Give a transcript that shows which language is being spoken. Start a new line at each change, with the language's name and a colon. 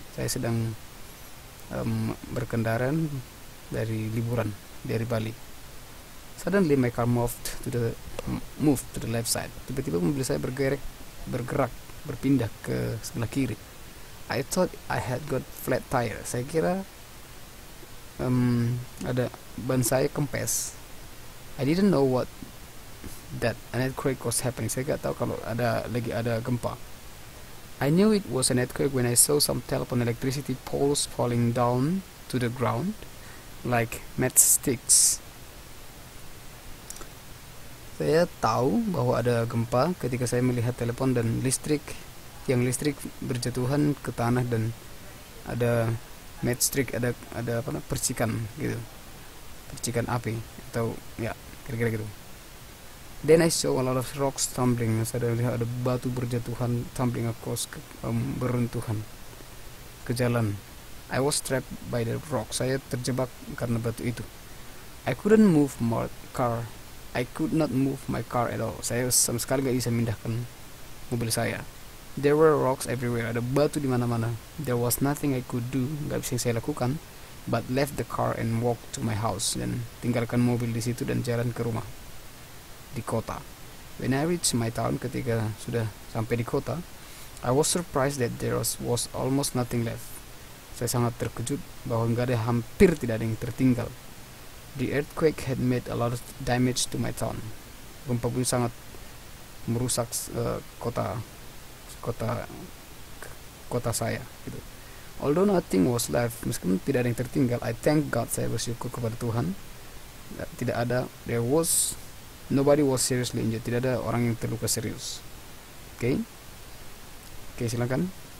Indonesian: Saya sedang berkendara dari liburan dari Bali.
English: Suddenly my car moved to the left side.
Indonesian: Tiba-tiba mobil saya bergerak, berpindah ke sebelah kiri.
English: I thought I had got flat tire.
Indonesian: Saya kira ada ban saya kempes.
English: I didn't know what that an earthquake was happening.
Indonesian: Saya tak tahu kalau ada gempa.
English: I knew it was an earthquake when I saw some telephone electricity poles falling down to the ground like matchsticks.
Indonesian: Saya tahu bahwa ada gempa ketika saya melihat telepon dan listrik yang listrik berjatuhan ke tanah dan ada matchstick, ada apa namanya, percikan gitu, percikan api atau ya kira-kira gitu.
English: Then I saw a lot of rocks tumbling.
Indonesian: Saya melihat ada batu berjatuhan,
English: tumbling across,
Indonesian: beruntuhan ke jalan.
English: I was trapped by the rocks.
Indonesian: Saya terjebak karena batu itu.
English: I could not move my car at all.
Indonesian: Saya sama sekali gak bisa memindahkan mobil saya.
English: There were rocks everywhere.
Indonesian: Ada batu di mana-mana.
English: There was nothing I could do.
Indonesian: Gak bisa saya lakukan
English: but left the car and walk to my house.
Indonesian: Dan tinggalkan mobil di situ dan jalan ke rumah di kota.
English: When I reached my town,
Indonesian: ketika sudah sampai di kota,
English: I was surprised that there was almost nothing left.
Indonesian: Saya sangat terkejut bahwa gak ada, hampir tidak ada yang tertinggal.
English: The earthquake had made a lot of damage to my town.
Indonesian: Gempa bumi sangat merusak kota saya. Gitu.
English: Although nothing was left,
Indonesian: meskipun tidak ada yang tertinggal,
English: I thank God,
Indonesian: saya bersyukur kepada Tuhan. Tidak ada,
English: there was, nobody was seriously injured.
Indonesian: Tidak ada orang yang terluka serius. Okay? Okay, silakan.